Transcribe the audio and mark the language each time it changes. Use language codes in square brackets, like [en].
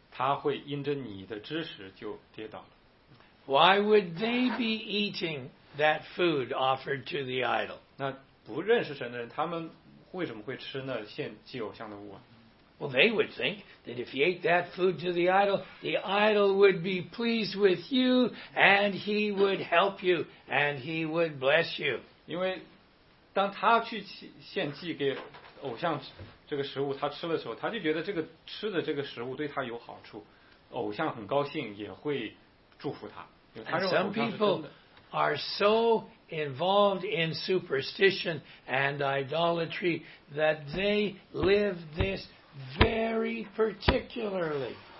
[zh] 所以现在呢，就如果有一个人他不认识神，那但他呢相信的假神是真的，然后他看见你作为基督徒呢，你反正大胆的就吃了那个祭偶像的东西，他就会觉得，哎，那你也相信这东西有用啊，所以他会因着你的知识就跌倒了。 [en] Why would they be eating that food offered to the idol? [zh] 那不认识神的人，他们为什么会吃那献祭偶像的物啊？ [en] Well, they would think that if you ate that food to the idol would be pleased with you, and he would help you, and he would bless you. [zh] 因为当他去献祭给偶像这个食物，他吃的时候，他就觉得这个吃的这个食物对他有好处，偶像很高兴，也会祝福他。 [en] And some people are so involved in superstition and idolatry that they live this very particularly.